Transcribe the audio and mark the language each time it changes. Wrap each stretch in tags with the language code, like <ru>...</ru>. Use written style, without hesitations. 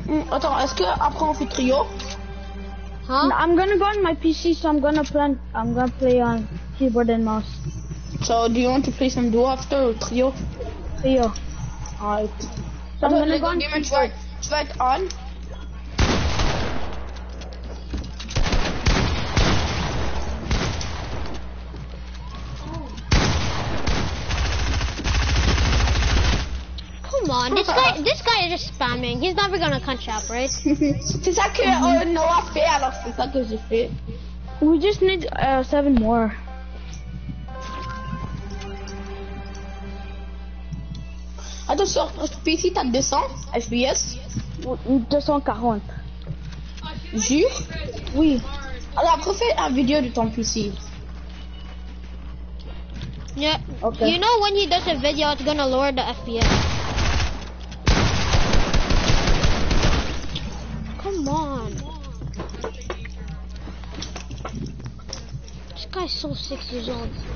<fr>Attends, est-ce que après on fait trio? Huh?</fr> <en>I'm gonna go on my PC, so I'm gonna play on keyboard and mouse. So, do you want to play some duo after or trio? Trio. Alright. So I'm gonna go on. Sweat on. Come on, this guy is just spamming. He's never gonna catch up, right? Is that kid? Oh no, I failed. That was a fit. We just need 7 more.</en> <fr>Attention, FPS, t'as 200 FPS? 240. Jure? Oui. Alors, après, fais une vidéo de ton PC.</fr> <en>Yeah. Okay. You know when he does a video, it's gonna lower the FPS. Come on. This guy's so 6 years old.</en>